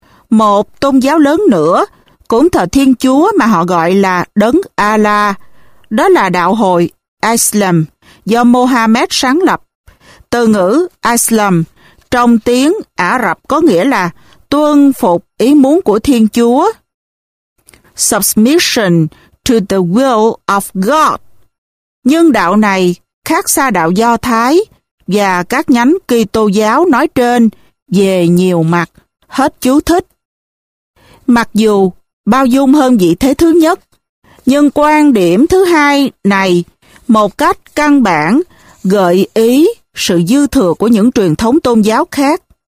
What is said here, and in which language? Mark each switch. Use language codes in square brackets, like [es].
[vi] Một tôn giáo lớn nữa cũng thờ Thiên Chúa mà họ gọi là Đấng Allah, đó là đạo Hồi Islam do Mohammed sáng lập. Từ ngữ Islam trong tiếng Ả Rập có nghĩa là tuân phục ý muốn của Thiên Chúa. [en] Submission to the will of God. [vi] Nhưng đạo này khác xa đạo Do Thái và các nhánh Kitô giáo nói trên về nhiều mặt. Hết chú thích. Mặc dù bao dung hơn vị thế thứ nhất, nhưng quan điểm thứ hai này một cách căn bản gợi ý sự dư thừa của những truyền thống tôn giáo khác.